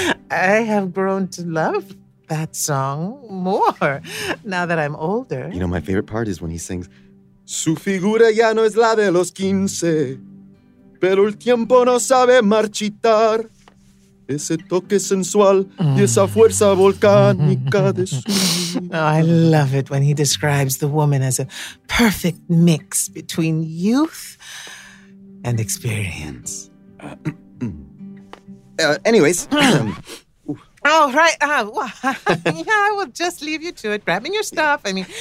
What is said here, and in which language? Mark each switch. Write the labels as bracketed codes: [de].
[en] I have grown to love that song more now that I'm older. You know, my favorite part is when he sings, [es] su figura ya no es la de los quince, pero el tiempo no sabe marchitar ese toque sensual y esa fuerza volcánica de su. [en] Oh, I love it when he describes the woman as a perfect mix between youth and experience. Anyways. Oh, right. Yeah, I will just leave you to it, grabbing your stuff. Yeah.